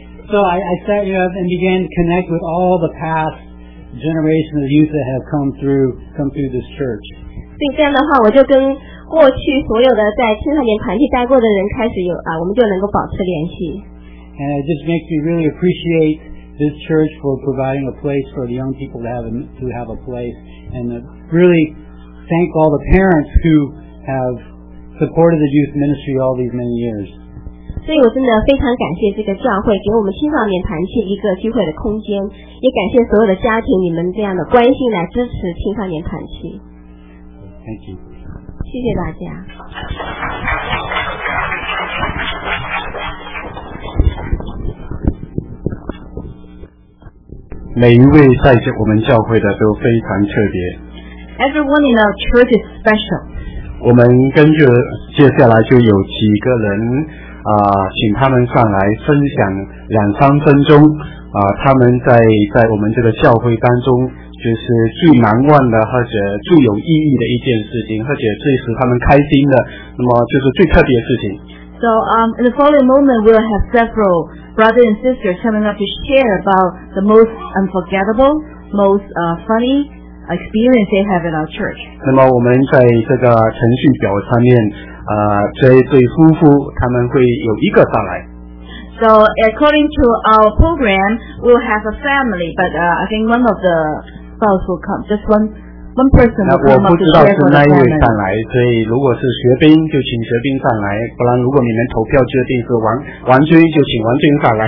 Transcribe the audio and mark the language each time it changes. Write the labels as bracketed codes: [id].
[en] So I set it up and began to connect with all the past generations of youth that have come through this church. [zh] 所以这样的话，我就跟过去所有的在青少年团契待过的人开始有啊，我们就能够保持联系。 [en] And it just makes me really appreciate this church for providing a place for the young people to have a place, and really thank all the parents who have supported the youth ministry all these many years. [zh] 所以我真的非常感谢这个教会给我们青少年团契一个聚会的空间，也感谢所有的家庭你们这样的关心来支持青少年团契。 [en] Thank you. [zh] 谢谢大家。每一位在我们教会的都非常特别。 [en] Everyone in our church is special. [zh] 我们跟着接下来就有几个人请他们上来分享两三分钟他们在我们这个教会当中就是最难忘的或者最有意义的一件事情，或者最使他们开心的，那么就是最特别的事情。 [en] So, in the following moment, we'll have several brothers and sisters coming up to share about the most unforgettable, most funny experience they have in our church. [zh] 那么我们在这个程序表上面，这一对夫妇他们会有一个上来。 [en] So, according to our program, we'll have a family, but I think one of the spouse will come. Just one one person. [zh] 那我不知道是哪一位上来，所以如果是学兵就请学兵上来，不然如果你们投票决定是王军就请王军上来。